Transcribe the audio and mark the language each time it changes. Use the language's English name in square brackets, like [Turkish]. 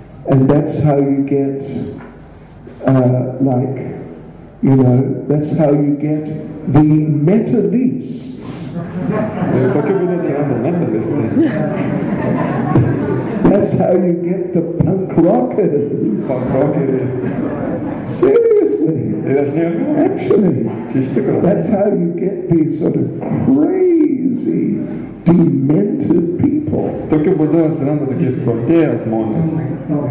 [English] And that's how you get, like, you know, that's how you get the metalists. [Lithuanian] Ir tokiu būdu atsiranda metalistai. [English] That's how you get the punk rockers. Punk rockers. Seriously, actually, that's how you get these sort of crazy, demented people. [Lithuanian] Tokiu būdu atsiranda tokie išprotėję žmonės.